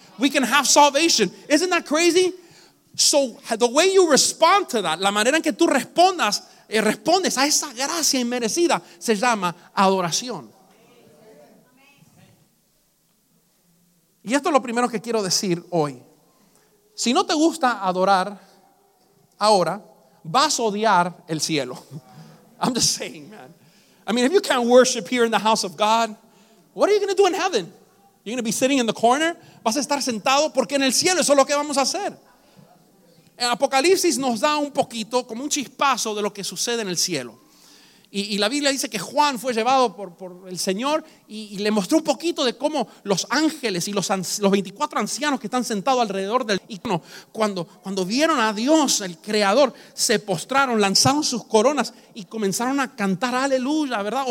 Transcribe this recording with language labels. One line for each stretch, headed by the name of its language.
English: We can have salvation. Isn't that crazy? So the way you respond to that,
Spanish: la manera en que tú respondes a esa gracia inmerecida, se llama adoración. Y esto es lo primero que quiero decir hoy. Si no te gusta adorar ahora, vas a odiar el cielo.
English: I'm just saying, man. I mean, if you can't worship here in the house of God, what are you going to do in heaven? You're going to be sitting in the corner?
Spanish: Vas a estar sentado, porque en el cielo eso es lo que vamos a hacer. En Apocalipsis nos da un poquito, como un chispazo de lo que sucede en el cielo. Y la Biblia dice que Juan fue llevado por el Señor y le mostró un poquito de cómo los ángeles y los 24 ancianos que están sentados alrededor del trono, cuando vieron a Dios, el Creador, se postraron, lanzaron sus coronas y comenzaron a cantar aleluya, ¿verdad?